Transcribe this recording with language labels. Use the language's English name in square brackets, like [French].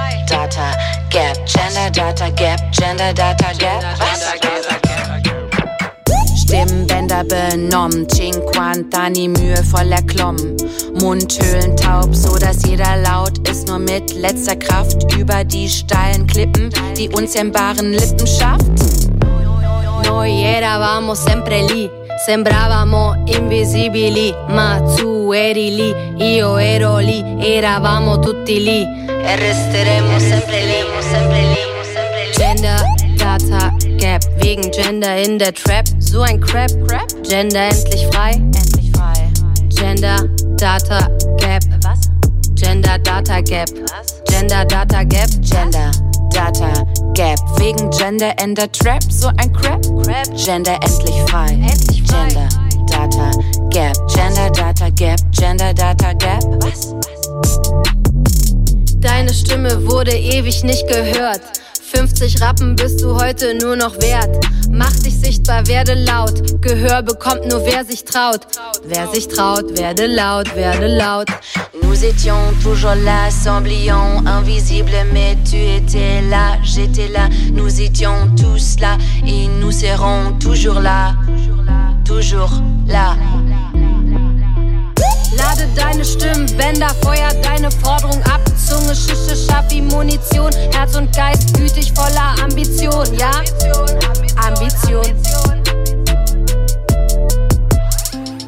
[German] Gender, Data, Gap. Gender, Data, Gap. Gender, Data, Gap. Was? Stimmbänder benommen, Cinquantani mühevoll erklommen. Mundhöhlen taub, so dass jeder laut ist, nur mit letzter Kraft über die steilen Klippen, die unzähmbaren Lippen schafft. [Italian] No eravamos sempre lì, sembravamo invisibili, ma tu eri lì, io ero lì, eravamo tutti lì. E resteremo sempre lì, sempre lì, sempre lì. [German] Gender Data Gap, wegen Gender in der Trap, so ein Crap, Crap. Gender endlich frei, endlich frei. Gender Data Gap, was? Gender Data Gap, was? Gender Data Gap, Gender Data Gap, wegen Gender in der Trap, so ein Crap, Crap. Gender endlich frei, endlich frei. Gender Data Gap, Gender Data Gap, Gender Data Gap, was? Deine Stimme wurde ewig nicht gehört. 50 Rappen bist du heute nur noch wert. Mach dich sichtbar, werde laut. Gehör bekommt nur wer sich traut. Wer sich traut, werde laut, werde laut. [French] Nous étions toujours là, semblions invisibles, mais tu étais là, j'étais là. Nous étions tous là et nous serons toujours là. Toujours là. [German] Lade deine Stimmbänder, feuer deine Forderung ab. Zunge, Schüsse, scharf wie Munition. Herz und Geist gütig, voller Ambition, ja? Ambition, Ambition.